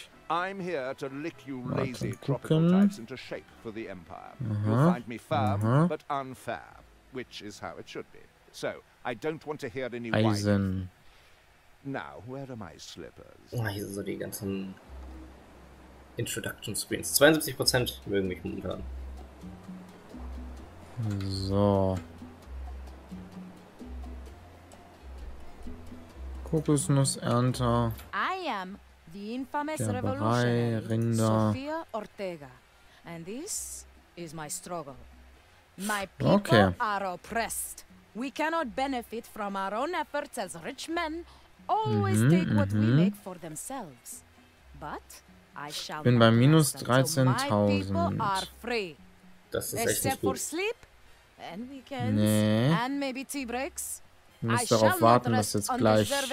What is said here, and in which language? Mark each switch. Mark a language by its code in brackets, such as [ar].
[en] I'm here to lick you lazy tropical types into shape for the empire. You'll find me fab, but unfab, which is how it should be. So, I don't want to hear any whining. Now, where are my slippers? [de] Oh, hier sind so die ganzen Introduction Screens. 72% mögen mich momentan. So. Kokosnussernter. [en] I am the infamous revolutionary Sofia Ortega, and this is my struggle. My people are oppressed. We cannot benefit from our own efforts as rich men always take what we make for themselves. But I shall [de] bin bei minus 13.000. Das ist echt nicht gut. [en] Except for sleep and weekends and maybe tea breaks. [de] Ich muss darauf warten, dass jetzt gleich.